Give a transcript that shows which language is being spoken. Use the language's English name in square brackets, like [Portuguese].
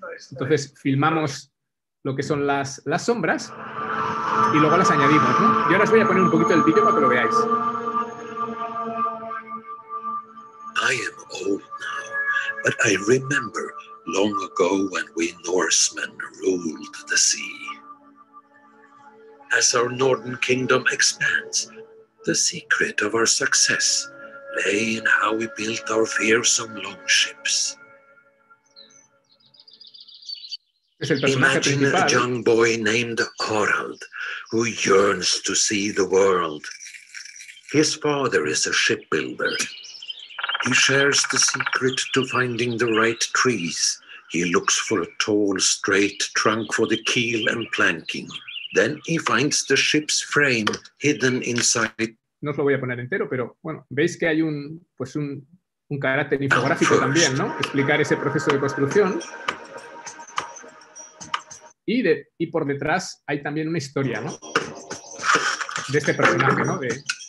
[Spanish] Entonces filmamos lo que son las sombras. Y luego las añadimos, ¿no? Y ahora os voy a poner un poquito del vídeo para que lo veáis. [English] I am old now, but I remember long ago when we Norsemen ruled the sea. As our northern kingdom expands, the secret of our success lay in how we built our fearsome longships. Imagine a young boy named Harald, who yearns to see the world. His father is a shipbuilder. He shares the secret to finding the right trees. He looks for a tall, straight trunk for the keel and planking. Then he finds the ship's frame hidden inside. [Spanish] No os lo voy a poner entero, pero bueno, veis que hay un carácter infográfico también, ¿no? Explicar ese proceso de construcción. Y por detrás hay también una historia, ¿no? de este personaje, ¿no? De...